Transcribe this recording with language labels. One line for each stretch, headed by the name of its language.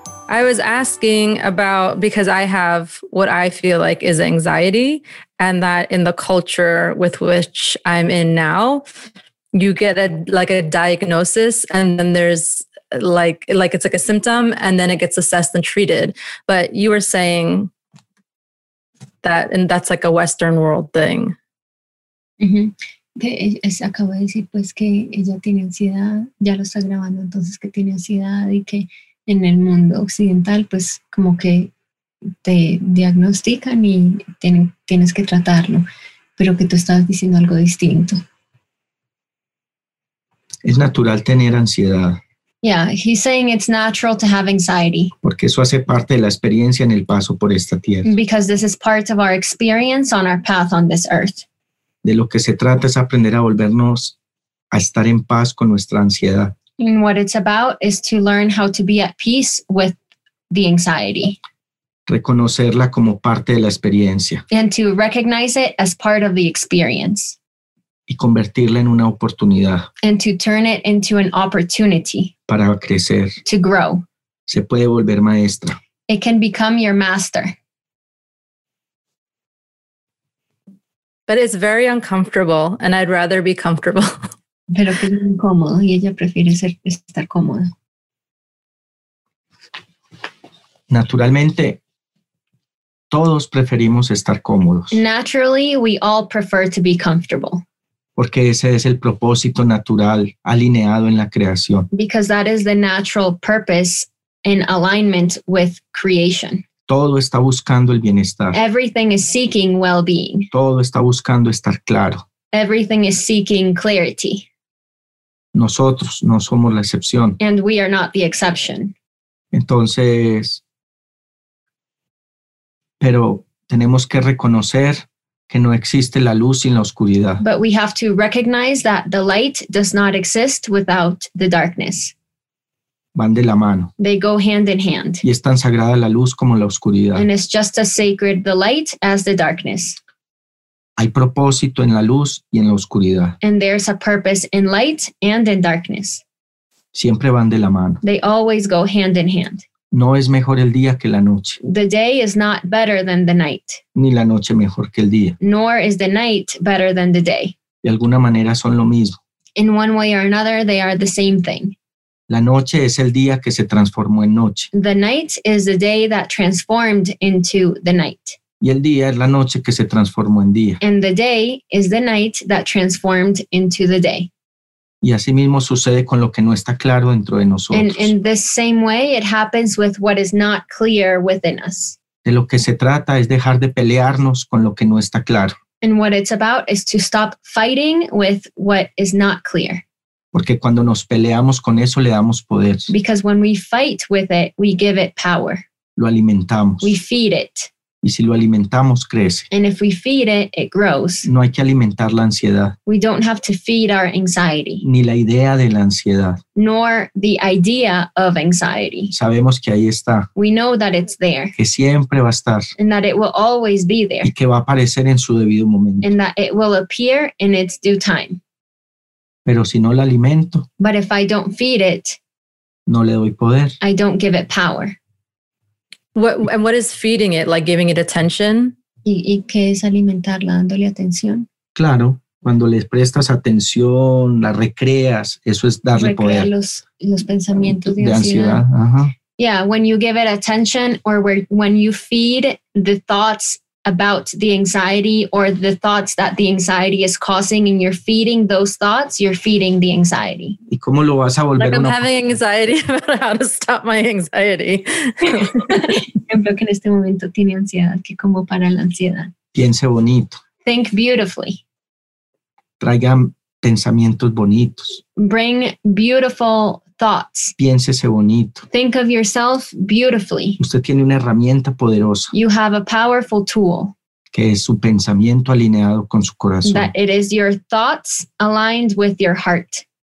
English: I was asking about, because I have what I feel like is anxiety, and that in the culture with which I'm in now, you get a diagnosis, and then there's like it's like a symptom, and then it gets assessed and treated. But you were saying that, and that's like a Western world thing.
Spanish: Que es, acabo de decir pues que ella tiene ansiedad, ya lo está grabando, entonces que tiene ansiedad, y que en el mundo occidental pues como que te diagnostican y tienes que tratarlo, pero que tú estás diciendo algo distinto. Es natural tener ansiedad.
English: Yeah, he's saying it's natural to have anxiety.
Spanish: Porque eso hace parte de la experiencia en el paso por esta tierra.
English: Because this is part of our experience on our path on this earth.
Spanish: De lo que se trata es aprender a volvernos a estar en paz con nuestra ansiedad.
English: And what it's about is to learn how to be at peace with the anxiety.
Spanish: Reconocerla como parte de la experiencia.
English: And to recognize it as part of the experience.
Spanish: Y convertirla en una oportunidad.
English: And to turn it into an opportunity.
Spanish: Para crecer.
English: To grow.
Spanish: Se puede volver maestra.
English: It can become your master. But it's very uncomfortable, and I'd rather be comfortable.
Spanish: Pero que es incómodo, y ella prefiere estar cómoda. Naturalmente, todos preferimos estar cómodos.
English: Naturally, we all prefer to be comfortable.
Spanish: Porque ese es el propósito natural alineado en la creación.
English: Because that is the natural purpose in alignment with creation.
Spanish: Todo está buscando el bienestar.
English: Everything is seeking well-being.
Spanish: Todo está buscando estar claro.
English: Everything is seeking clarity.
Spanish: Nosotros no somos la excepción.
English: And we are not the exception.
Spanish: Entonces, pero tenemos que reconocer que no existe la luz sin la oscuridad.
English: But we have to recognize that the light does not exist without the darkness.
Spanish: Van de la mano.
English: They go hand in hand.
Spanish: Y es tan sagrada la luz como la oscuridad.
English: And it's just as sacred the light as the darkness.
Spanish: Hay propósito en la luz y en la oscuridad.
English: And there's a purpose in light and in darkness.
Spanish: Siempre van de la mano.
English: They always go hand in hand.
Spanish: No es mejor el día que la noche.
English: The day is not better than the night.
Spanish: Ni la noche mejor que el día.
English: Nor is the night better than the day.
Spanish: De alguna manera son lo mismo.
English: In one way or another, they are the same thing.
Spanish: La noche es el día que se transformó en noche.
English: The night is the day that transformed into the night.
Spanish: Y el día es la noche que se transformó en día.
English: And the day is the night that transformed into the day.
Spanish: Y así mismo sucede con lo que no está claro dentro de nosotros.
English: And in the same way, it happens with what is not clear within us.
Spanish: De lo que se trata es dejar de pelearnos con lo que no está claro.
English: And what it's about is to stop fighting with what is not clear.
Spanish: Porque cuando nos peleamos con eso, le damos poder.
English: Because when we fight with it, we give it power.
Spanish: Lo alimentamos.
English: We feed it.
Spanish: Y si lo alimentamos, crece.
English: And if we feed it, it grows.
Spanish: No hay que alimentar la ansiedad.
English: We don't have to feed our anxiety.
Spanish: Ni la idea de la ansiedad.
English: Nor the idea of anxiety.
Spanish: Sabemos que ahí está.
English: We know that it's there.
Spanish: Que siempre va a estar.
English: And that it will always be there.
Spanish: Y que va a aparecer en su debido momento.
English: And that it will appear in its due time.
Spanish: Pero si no lo alimento.
English: But if I don't feed it.
Spanish: No le doy poder.
English: I don't give it power. What is feeding it, like giving it attention?
Spanish: ¿Y qué es alimentarla, dándole atención? Claro, cuando le prestas atención, la recreas, eso es darle recrea poder. Los pensamientos de ansiedad. Ajá.
English: Yeah, when you give it attention or when you feed the thoughts about the anxiety or the thoughts that the anxiety is causing and you're feeding those thoughts, you're feeding the anxiety.
Spanish: ¿Y cómo lo vas a volver
English: like I'm having anxiety about how to stop my anxiety.
Spanish: Ejemplo que en este momento tiene ansiedad, que como para la ansiedad. Piense bonito.
English: Think beautifully.
Spanish: Traigan pensamientos bonitos.
English: Bring beautiful thoughts.
Spanish: Piénsese bonito.
English: Think of yourself beautifully.
Spanish: Usted tiene una herramienta poderosa.
English: You have a powerful tool.
Spanish: Que es su pensamiento alineado con su corazón.
English: That it is your thoughts aligned with your heart.